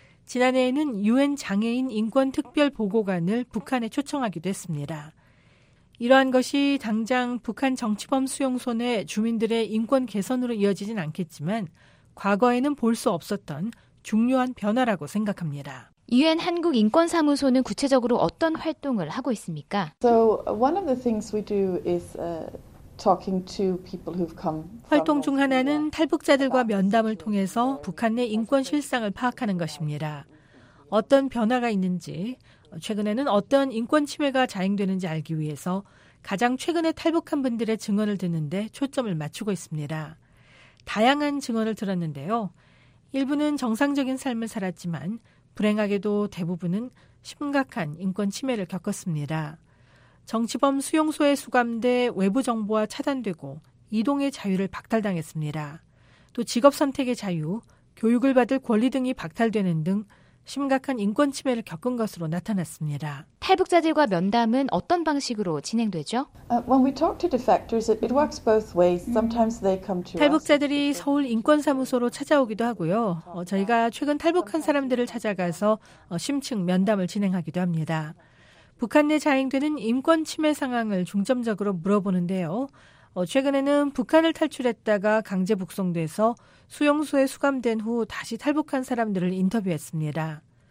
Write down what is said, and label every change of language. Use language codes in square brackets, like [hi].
[ko] 지난해에는 유엔 장애인 인권특별보고관을 북한에 초청하기도 했습니다. 이러한 것이 당장 북한 정치범 수용소 내 주민들의 인권 개선으로 이어지진 않겠지만 과거에는 볼 수 없었던 중요한 변화라고 생각합니다. 유엔 한국 인권사무소는 구체적으로 어떤 활동을 하고 있습니까? [en] So one of the things we do is talking to people who've come. [ko] 활동 중 하나는 탈북자들과 면담을 통해서 북한 내 인권 실상을 파악하는 것입니다. 어떤 변화가 있는지, 최근에는 어떤 인권 침해가 자행되는지 알기 위해서 가장 최근에 탈북한 분들의 증언을 듣는데 초점을 맞추고 있습니다. 다양한 증언을 들었는데요. 일부는 정상적인 삶을 살았지만 불행하게도 대부분은 심각한 인권 침해를 겪었습니다. 정치범 수용소에 수감돼 외부 정보와 차단되고 이동의 자유를 박탈당했습니다. 또 직업 선택의 자유, 교육을 받을 권리 등이 박탈되는 등 심각한 인권 침해를 겪은 것으로 나타났습니다. 탈북자들과 면담은 어떤 방식으로 진행되죠? [en] When we talk to defectors, it works both ways. Sometimes they come to us. [ko] 탈북자들이 서울 인권사무소로 찾아오기도 하고요. 저희가 최근 탈북한 사람들을 찾아가서 심층 면담을 진행하기도 합니다. 북한 내 자행되는 인권 침해 상황을 중점적으로 물어보는데요. 최근에는 북한을 탈출했다가 강제 북송돼서 수용소에 수감된 후 다시 탈북한 사람들을 인터뷰했습니다.